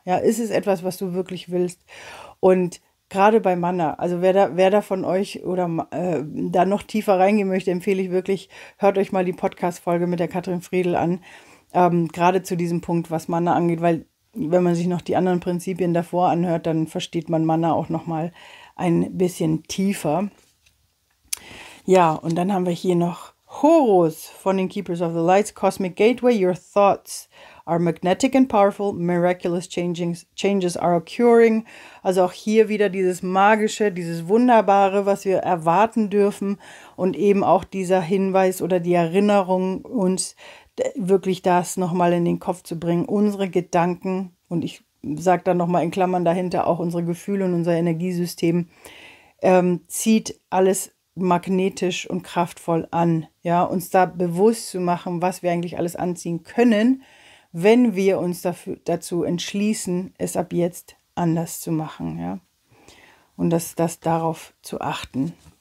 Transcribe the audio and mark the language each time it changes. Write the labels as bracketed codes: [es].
[de] Ja, ist es etwas, was du wirklich willst? Und gerade bei Mana, also wer da von euch oder da noch tiefer reingehen möchte, empfehle ich wirklich, hört euch mal die Podcast-Folge mit der Katrin Friedl an, gerade zu diesem Punkt, was Mana angeht, weil wenn man sich noch die anderen Prinzipien davor anhört, dann versteht man Mana auch noch mal ein bisschen tiefer. Ja, und dann haben wir hier noch Horus von den Keepers of the Lights, Cosmic Gateway. [en] Your thoughts are magnetic and powerful. Miraculous changes are occurring. [de] Also auch hier wieder dieses Magische, dieses Wunderbare, was wir erwarten dürfen. Und eben auch dieser Hinweis oder die Erinnerung, uns wirklich das nochmal in den Kopf zu bringen. Unsere Gedanken, und ich sage dann nochmal in Klammern dahinter, auch unsere Gefühle und unser Energiesystem, zieht alles magnetisch und kraftvoll an, ja, uns da bewusst zu machen, was wir eigentlich alles anziehen können, wenn wir uns dazu entschließen, es ab jetzt anders zu machen, ja, und das darauf zu achten.